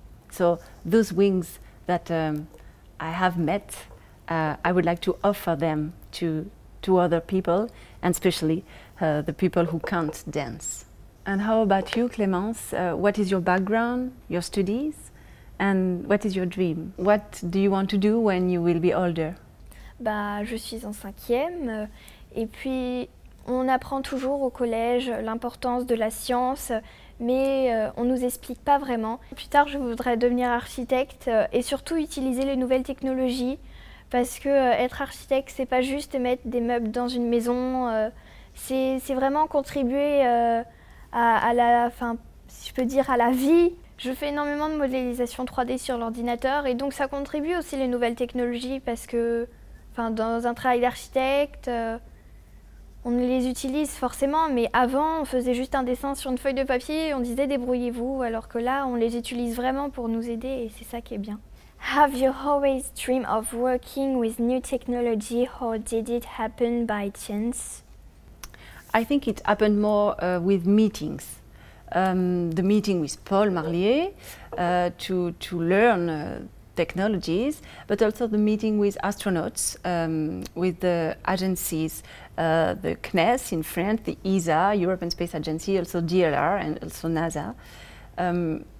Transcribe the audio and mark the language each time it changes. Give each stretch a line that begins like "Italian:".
English: So those wings that I have met, I would like to offer them to other people, and especially the people who can't dance. And how about you, Clémence? What is your background, your studies, and what is your dream? What do you want to do when you will be older?
French: Bah, je suis en cinquième, et puis on apprend toujours au collège l'importance de la science, mais on nous explique pas vraiment. Plus tard, je voudrais devenir architecte et surtout utiliser les nouvelles technologies. Parce que être architecte, c'est pas juste mettre des meubles dans une maison, c'est vraiment contribuer à la vie. Je fais énormément de modélisation 3D sur l'ordinateur et donc ça contribue aussi les nouvelles technologies parce que, enfin, dans un travail d'architecte, on les utilise forcément, mais avant on faisait juste un dessin sur une feuille de papier et on disait débrouillez-vous, alors que là on les utilise vraiment pour nous aider et c'est ça qui est bien.
English: Have you always dreamed of working with new technology, or did it happen by chance? I think it happened more with meetings. The meeting with Paul Marlier to learn technologies, but also the meeting with astronauts, with the agencies, the CNES in France, the ESA, European Space Agency, also DLR and also NASA.